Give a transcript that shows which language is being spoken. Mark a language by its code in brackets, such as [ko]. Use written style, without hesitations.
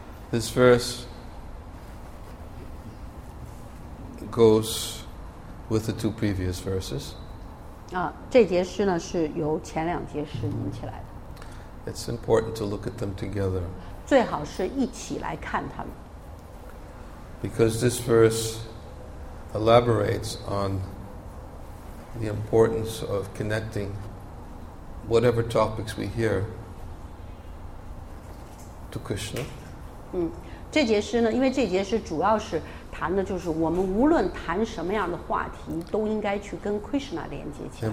[en] This verse goes with the two previous verses. [zh] 这节诗呢是由前两节诗引起来的。 [en] It's important to look at them together. [zh] 最好是一起来看它们。 [en] Because this verse elaborates on the importance of connecting whatever topics we hear to Krishna. 嗯。 [zh] 这节诗呢，因为这节诗主要是谈的，就是我们无论谈什么样的话题，都应该去跟 Krishna 连接起来。